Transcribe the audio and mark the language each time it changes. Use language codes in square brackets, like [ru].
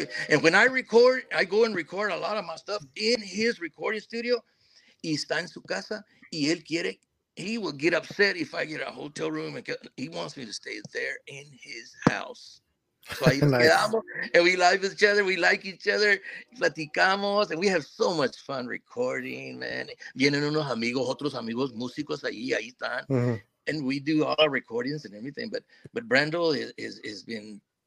[en] And when I record, I go and record a lot of my stuff in his recording studio. [es] Y está en su casa, y él quiere. [en] He will get upset if I get a hotel room, and he wants me to stay there in his house. So I nice. And we live with each other. We like each other. [es] Platicamos, [en] and we have so much fun recording, man. [es] Vienen unos amigos, otros amigos, músicos ahí están, [en] and we do all our recordings and everything. But Brando has been